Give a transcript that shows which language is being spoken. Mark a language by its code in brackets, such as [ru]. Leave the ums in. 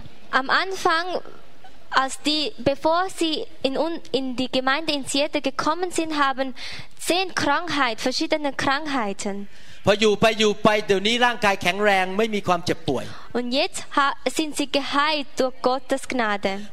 [de] Am Anfang als die, bevor sie in, in, die Gemeinde in Seattle gekommen sind, haben zehn Krankheiten, verschiedene Krankheiten. [th] พออยู่ไปอยู่ไปเดี๋ยวนี้ร่างกายแข็งแรงไม่มีความเจ็บป่วย [de] Und jetzt ha, sind sie geheilt durch Gottes Gnade.